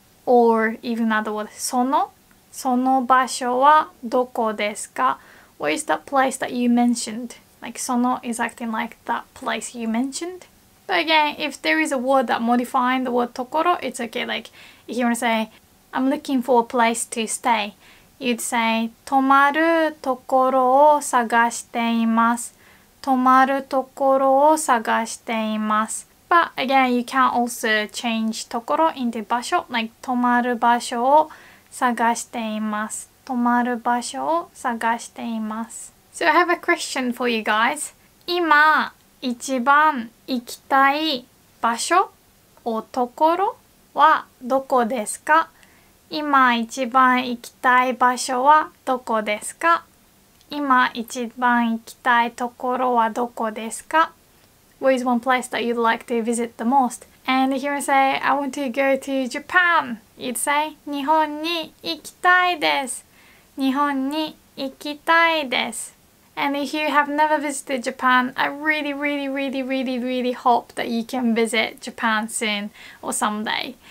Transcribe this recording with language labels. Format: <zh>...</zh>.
<en>Or even another word,</en> <ja>その場所はどこですか?</ja> <en>What is that place that you mentioned? Like, その is acting like that place you mentioned. But again, if there is a word that modifying the word ところ, it's okay. Like, if you want to say, I'm looking for a place to stay. You'd say,</en> <ja>泊まるところを探しています。泊まるところを探しています。</ja> <en>But again, you can also change ところ into 場所, like</en> <ja>泊まる場所を探しています。泊まる場所を探しています。</ja> <en>So I have a question for you guys.</en> <ja>今一番行きたい場所をところはどこですか? 今一番行きたい場所はどこですか? 今一番行きたいところはどこですか?</ja> <en>Where is one place that you'd like to visit the most? And if you want to say, I want to go to Japan, you'd say,</en> <ja>日本に行きたいです。日本に行きたいです。</ja> <en>And if you have never visited Japan, I really, really, really, really, really hope that you can visit Japan soon or someday.</en>